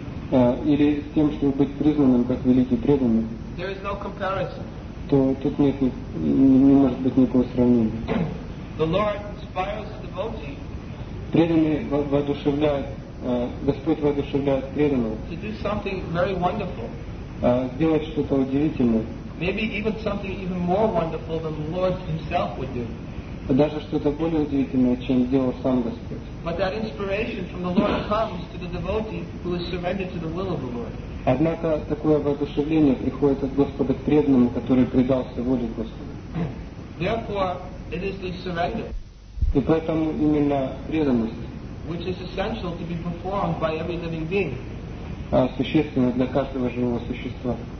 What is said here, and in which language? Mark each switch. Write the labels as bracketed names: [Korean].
[Russian] Или с тем, чтобы быть признанным как великий преданный, [English] there is no comparison. [Russian] То тут нет не может быть никакого сравнения. [English] The Lord inspires the devotee. [Russian] Преданный воодушевляет, Господь воодушевляет преданного [English] to do something very wonderful. [Russian] Сделать что-то удивительное. [English] Maybe even something even more wonderful than the Lord himself would do. [Russian] Даже что-то более удивительное, чем сделал сам Господь. [English] But that inspiration from the Lord comes to the devotee who is surrendered to the will of the Lord. [Russian] Однако такое воодушевление приходит от Господа к преданному, который предался воле Господа. [English] Therefore, it is the surrender. [Russian] И поэтому именно преданность, [English] which is essential to be performed by every living being, [Russian] существенно для каждого живого существа,